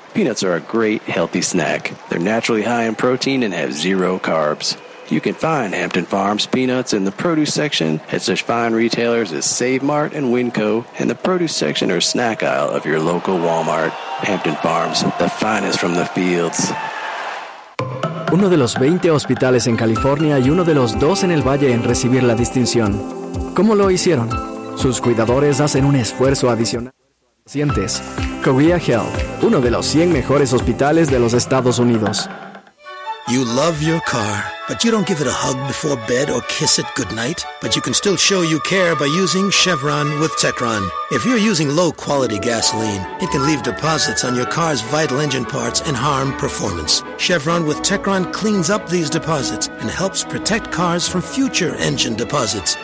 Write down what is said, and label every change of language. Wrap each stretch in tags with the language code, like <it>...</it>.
<en>Peanuts are a great healthy snack. They're naturally high in protein and have zero carbs. You can find Hampton Farms peanuts in the produce section at such fine retailers as Save Mart and Winco, in the produce section or snack aisle of your local Walmart. Hampton Farms, the finest from the fields.</en> <es>Uno de los 20 hospitales en California y uno de los dos en el Valle en recibir la distinción. ¿Cómo lo hicieron? Sus cuidadores hacen un esfuerzo adicional. Pacientes. Korea Health, uno de los 100 mejores hospitales de los Estados Unidos.</es> <en>You love your car, but you don't give it a hug before bed or kiss it goodnight. But you can still show you care by using Chevron with Techron. If you're using low-quality gasoline, it can leave deposits on your car's vital engine parts and harm performance. Chevron with Techron cleans up these deposits and helps protect cars from future engine deposits.</en>